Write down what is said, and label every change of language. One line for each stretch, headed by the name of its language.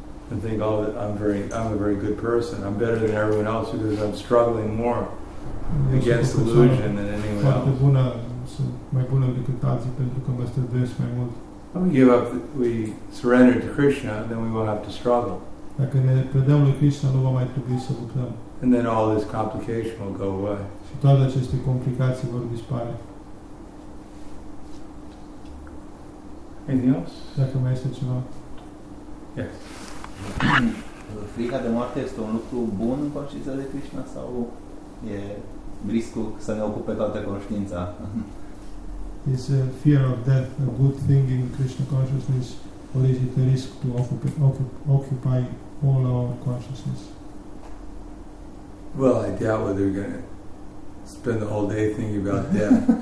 English: And think, oh, I'm a very good person. I'm better than everyone else because I'm struggling more against illusion than anyone else.
Romanian: Bună, sunt mai bună decât alții pentru că mă străduiesc mai mult.
English: If we give up, we surrender to Krishna, then we won't have to struggle.
Romanian: Dacă ne predăm lui Krishna, nu va mai trebui să luptăm.
English: And then all this complication will go away.
Romanian: Și toate aceste complicații vor dispare.
English: Anything else?
Romanian: Dacă mai este ceva.
English: Yes.
Romanian: Frica de moarte este un lucru bun în conștiința de Krishna sau e briscu să ne ocupe toată conștiința.
English: Is a fear of death a good thing in Krishna consciousness, or is it a risk to occupy all our consciousness? Well, I doubt whether we're going to spend the whole day thinking about death.